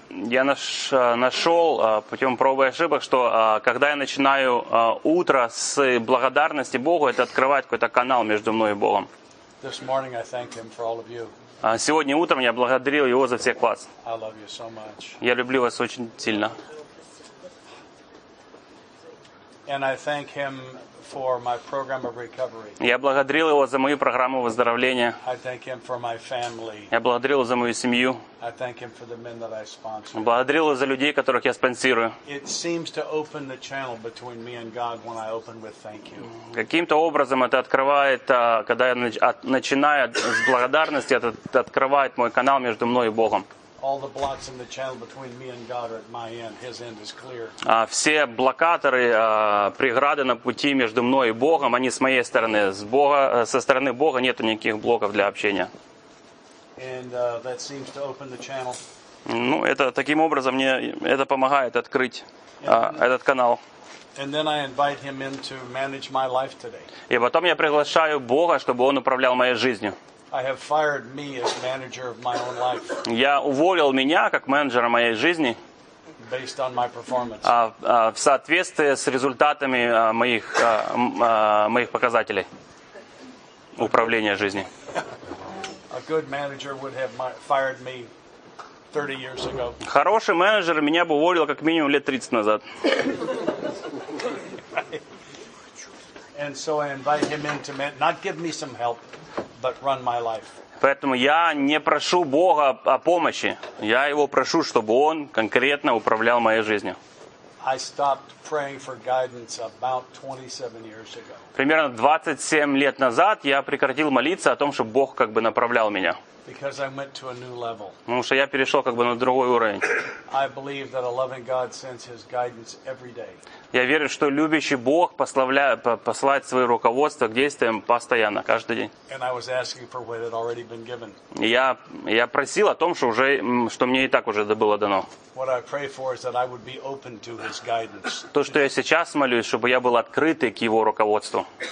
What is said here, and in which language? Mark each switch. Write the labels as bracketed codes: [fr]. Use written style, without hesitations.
[ru] Я нашел путем проб и ошибок, что когда я начинаю утро с благодарности Богу, это открывает какой-то канал между мной и Богом. [en] This morning I thank Him for all of you. [ru] Сегодня утром я благодарил Его за всех вас. [en] I love you so much. [ru] Я люблю вас очень сильно. [en] And I thank Him for my program of recovery. [ru] Я благодарил его за мою программу выздоровления. [en] I thank him for my family. [ru] Я благодарил его за мою семью. [en] I thank him for the men that I sponsor. [ru] Благодарил его за людей, которых я спонсирую. [en] It seems to open the channel between me and God when I open with thank you. [ru] Каким-то образом это открывает, когда я начинаю с благодарности, это открывает мой канал между мной и Богом. [en] All the blocks in the channel between me and God are at my end. His end is clear. [ru] Все блокаторы, преграды на пути между мной и Богом, они с моей стороны. Со стороны Бога нету никаких блоков для общения. [en] And that seems to open the channel. [ru] Ну, это таким образом мне это помогает открыть этот канал. [en] And then I invite him in to manage my life today. [ru] И потом я приглашаю Бога, чтобы он управлял моей жизнью. [en] I have fired me as manager of my own life. [ru] Я уволил меня как менеджера моей жизни. [en] Based on my performance. [ru] В соответствии с результатами моих показателей управления жизнью. [en] A good manager would have fired me 30 years ago. [ru] Хороший менеджер меня бы уволил как минимум лет 30 назад. [en] And so I invite him in to not give me some help. But run my life. [ru] Поэтому я не прошу Бога о помощи. Я его прошу, чтобы он конкретно управлял моей жизнью. [en] I stopped praying for guidance about 27 years ago. [ru] Примерно 27 лет назад я прекратил молиться о том, чтобы Бог как бы направлял меня. [en] Because I went to a new level. [ru] Потому что я перешел как бы на другой уровень. [en] I believe that a loving God sends his guidance every day. [ru] Я верю, что любящий Бог посылает свое руководство к действиям постоянно, каждый день. [en] And I was asking for what had already been given. [ru] Я просил о том, что мне и так уже было дано. [en] What I pray for is that I would be open to his guidance. [ru] То, что я сейчас молюсь, чтобы я был открытый к его руководству.